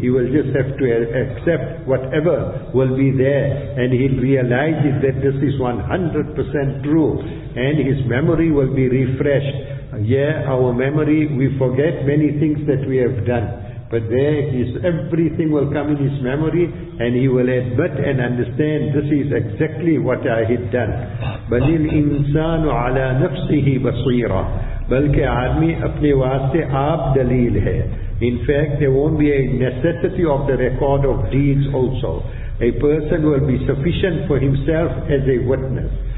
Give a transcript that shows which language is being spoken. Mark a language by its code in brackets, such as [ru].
[en] He will just have to accept whatever will be there, and he'll realize that this is 100% true, and his memory will be refreshed. Yeah, our memory, we forget many things that we have done. But there is everything will come in his memory, and he will admit and understand, this is exactly what I had done. [ar] بَلِ الْإِنسَانُ عَلَىٰ نَفْسِهِ بَصِيرًا. [ur] بلکہ آدمی اپنے واسطے آپ دلیل ہے. [en] In fact, there won't be a necessity of the record of deeds also. A person will be sufficient for himself as a witness.